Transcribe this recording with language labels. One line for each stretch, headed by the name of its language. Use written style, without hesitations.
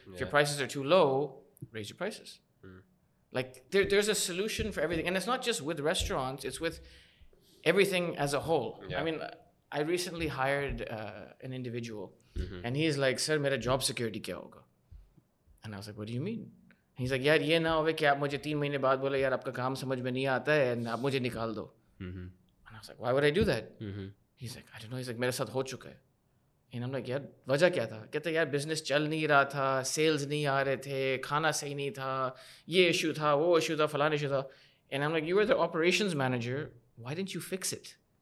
English: Yeah. If your prices are too low, raise your prices. Mm. Like there's a solution for everything. And it's not just with restaurants. It's with everything as a whole. Yeah. I mean, I recently hired an individual. Mm-hmm. And he's like, sir,
Hindi: मेरा job security क्या होगा?
English: And I was like, what do you mean?
Hindi: And he's like, यार, ये ना होवे कि आप मुझे 3 महीने बाद बोले, यार, आपका काम समझ में नहीं आता है, and आप मुझे निकाल दो।
English: Mm-hmm. And I was like, why would I do that? Mm-hmm. He's like, I don't know. He's like,
Hindi: mera sath ho chuka hai.
English: And I'm like, yeah,
Hindi: wajah kya tha? कहते यार, business चल नहीं रहा था, sales नहीं आ रहे थे, खाना सही नहीं था, ये issue था, वो issue था, फलाँ issue था।
English: And I'm like, you were the operations manager, why didn't you fix it?